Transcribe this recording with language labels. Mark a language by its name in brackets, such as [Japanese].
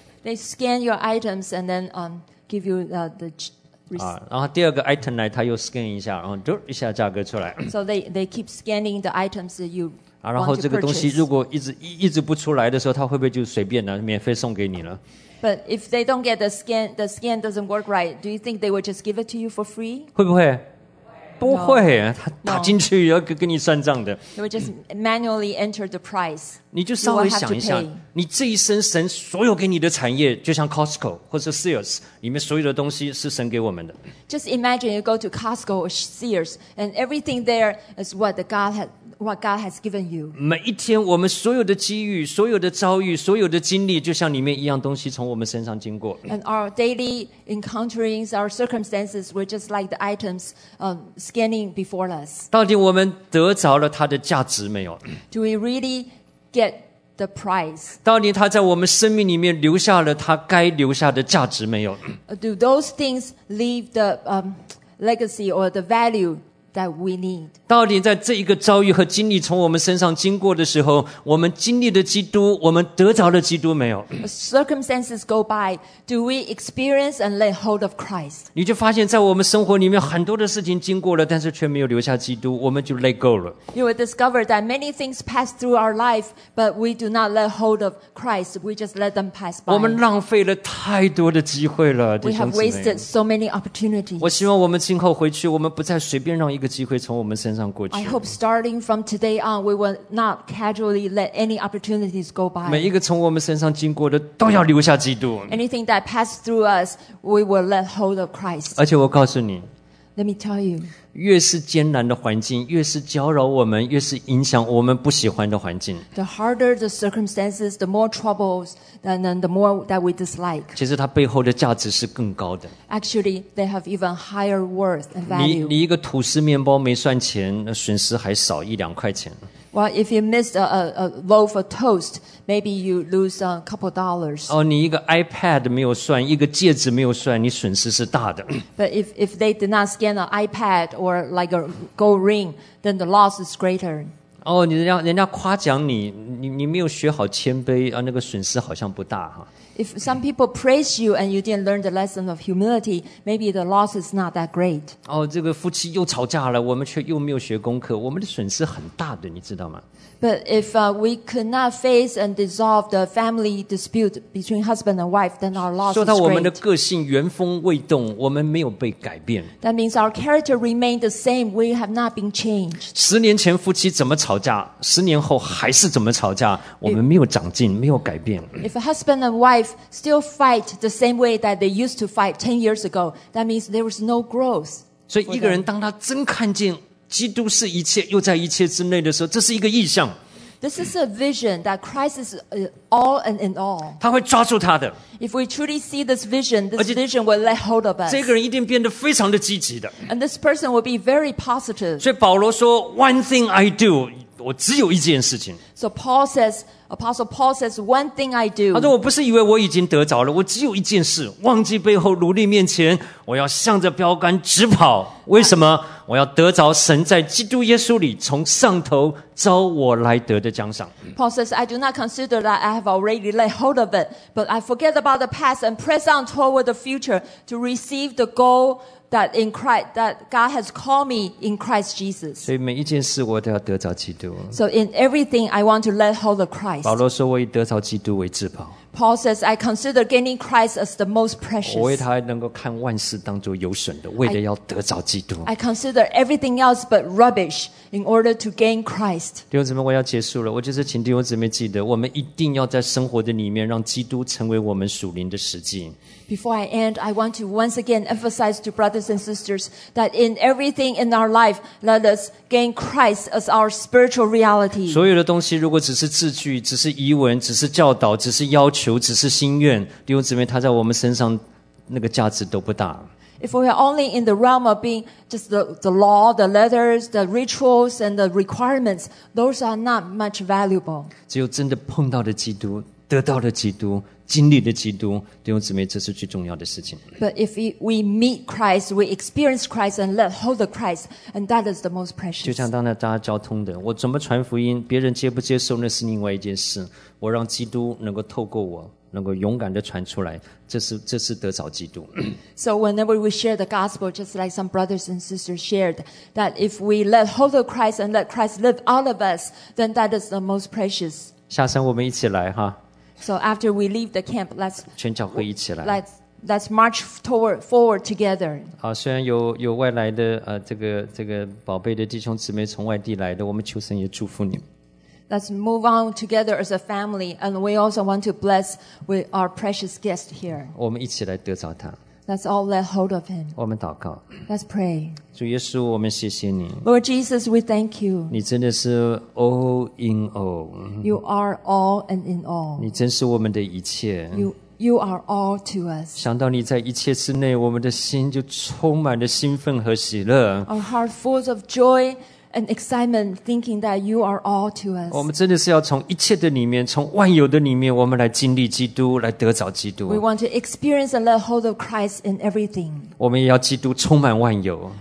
[English] ？They scan your items and then give you the [Chinese] 啊，然后第二个 item 来，他又 scan 一下，然后丢一下价格出来。 [English] So they keep scanning the items that you [Chinese] 啊，然后这个东西如果一直不出来的时候，他会不会就随便呢，免费送给你了 [English] ？But if they don't get the scan doesn't work right, do you think they would just give it to you for free? [Chinese] 会不会？不会，他打进去要跟你算账的。 [English] He would just manually enter the price. [Chinese] 你就稍微想一下，你这一生神所有给你的产业，就像 Costco 或者 Sears 里面所有的东西是神给我们的。 [English] Just imagine you go to Costco or Sears, and everything there is what the God had. What God has given you. [Chinese] 每一天我们所有的机遇所有的遭遇所有的经历就像里面一样东西从我们身上经过 [English] And our daily encounterings, our circumstances were just like the items scanning before us. [Chinese] 到底我们得着了它的价值没有 [English] Do we really get the price? [Chinese] 到底它在我们生命里面留下了它该留下的价值没有 [English] Do those things leave the legacy or the value? That we need. [Chinese] 到底在这一个遭遇和经历从我们身上经过的时候，我们经历的基督，我们得着的基督没有 [English] ？Circumstances go by. Do we experience and lay hold of Christ? [Chinese] 你就发现，在我们生活里面很多的事情经过了，但是却没有留下基督，我们就 [English] let go [Chinese] 了。 [English] You will discover that many things pass through our life, but we do not let hold of Christ. We just let them pass by. [Chinese] 我们浪费了太多的机会了。 [English] We have wasted so many opportunities. [Chinese] 我希望我们今后回去，我们不再随便让。一个机会从我们身上过去。 [English] I hope starting from today on, we will not casually let any opportunities go by. [Chinese] 每一个从我们身上经过的都要留下基督。 [English] Anything that passed through us, we will let hold of Christ. [Chinese] 而且我告诉你 [English] ，Let me tell you， [Chinese] 越是艰难的环境，越是搅扰我们，越是影响我们不喜欢的环境。 [English] The harder the circumstances, the more troubles, then the more that we dislike. [Chinese] 其实它背后的价值是更高的。 [English] Actually, they have even higher worth and value. [Chinese] 你一个吐司面包没算钱，损失还少一两块钱。 [English] Well, if you missed a loaf of toast, maybe you lose a couple of dollars. [Chinese] 哦，你一个 iPad 没有算，一个戒指没有算，你损失是大的。 [English] But if they did not scan an iPad or like a gold ring, then the loss is greater. [Chinese] 哦，人家夸奖你，你没有学好谦卑啊，那个损失好像不大哈。 [English] If some people praise you and you didn't learn the lesson of humility, maybe the loss is not that great. [Chinese] 哦，这个夫妻又吵架了，我们却又没有学功课，我们的损失很大的，你知道吗？ [English] But if we could not face and dissolve the family dispute between husband and wife, then our loss is great. [Chinese] 说到我们的个性原封未动，我们没有被改变。 [English] That means our character remained the same. We have not been changed. [Chinese] 十年前夫妻怎么吵架，十年后还是怎么吵架，我们没有长进，没有改变。 [English] If a husband and wife still fight the same way that they used to fight 10 years ago. That means there was no growth. [Chinese] 所以一个人当他真看见基督是一切又在一切之内的时候，这是一个意象。 [English] This is a vision that Christ is all and in all. [Chinese] 他会抓住他的。 [English] If we truly see this vision, this vision will let hold of us. [Chinese] 这个人一定变得非常的积极的。 [English] And this person will be very positive. [Chinese] 所以保罗说 , [English] One thing I do, [Chinese] 我只有一件事情。 [English] So Paul says,Apostle Paul says, one thing I do. [Chinese] 他说我不是以为我已经得着了，我只有一件事，忘记背后，努力面前，我要向着标杆直跑。为什么？我要得着神在基督耶稣里从上头招我来得的奖赏。 [English] Paul says, I do not consider that I have already laid hold of it, but I forget about the past and press on toward the future to receive the goal that in Christ, that God has called me in Christ Jesus. [Chinese] 所以每一件事我都要得着基督。 [English] So in everything, I want to let hold of Christ. [Chinese] 保罗说我以得着基督为至宝。 [English] Paul says, I consider gaining Christ as the most precious. [Chinese] 我为他能够看万事当作有损的，为了要得着基督。 [English] I consider everything else but rubbish in order to gain Christ. [Chinese] 弟兄姊妹，我要结束了。我就是请弟兄姊妹记得，我们一定要在生活的里面让基督成为我们属灵的实际。 [English] Before I end, I want to once again emphasize to brothers and sisters that in everything in our life, let us gain Christ as our spiritual reality. [Chinese] 所有的东西如果只是字句、只是疑问、只是教导、只是要求、只是心愿，弟兄姊妹，它在我们身上那个价值都不大。 [English] If we are only in the realm of being just the law, the letters, the rituals, and the requirements, those are not much valuable. [Chinese] 只有真的碰到的基督，得到的基督。经历的基督，弟兄姊妹，这是最重要的事情。 [English] But if we meet Christ, we experience Christ and let hold of Christ, and that is the most precious. [Chinese] 就像当大家交通的，我怎么传福音，别人接不接受，那是另外一件事。我让基督能够透过我，能够勇敢地传出来，这是得着基督。 [English] So whenever we share the gospel, just like some brothers and sisters shared, that if we let hold of Christ and let Christ live out of us, then that is the most precious. [Chinese] 下山，我们一起来哈。 [English] So after we leave the camp, let's [Chinese] 全教会一起来 [English] let's let's march toward, forward together. [Chinese] 啊，虽然有外来的这个宝贝的弟兄姊妹从外地来的，我们求神也祝福你们。 [English] Let's move on together as a family, and we also want to bless with our precious guest here. [Chinese] 我们一起来得着他。 [English] Let's all lay hold of him. [Chinese] 我们祷告。 [English] Let's pray. [Chinese] 主耶稣，我们谢谢你。 [English] Lord Jesus, we thank you. [Chinese] 你真的是 [English] all in all. You are all and in all. [Chinese] 你真是我们的一切。 [English] You are all to us. [Chinese] 想到你在一切之内，我们的心就充满了兴奋和喜乐。 [English] Our heart full of joy. And excitement, thinking that you are all to us. [Chinese] 我们真的是要从一切的里面，从万有的里面，我们来经历基督，来得着基督。 [English] We want to experience and let hold of Christ in everything. [Chinese] 我们也要基督充满万有。